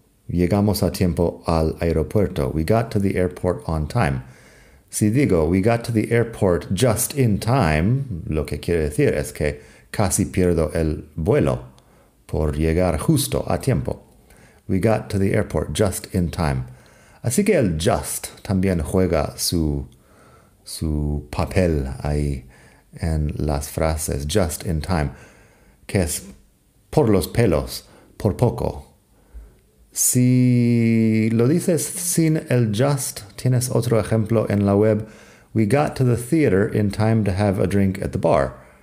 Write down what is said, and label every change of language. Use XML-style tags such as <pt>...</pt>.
<es>Llegamos a tiempo al aeropuerto.</es> <en>We got to the airport on time.</en> <es>Si digo,</es> <en>we got to the airport just in time,</en> <es>lo que quiere decir es que casi pierdo el vuelo por llegar justo a tiempo.</es> <en>We got to the airport just in time.</en> <es>Así que el just también juega su papel ahí en las frases.</es> <en>Just in time,</en> <es>que es por los pelos, por poco. Si lo dices sin el just, tienes otro ejemplo en la web.</es> <en>We got to the theater in time to have a drink at the bar.</en>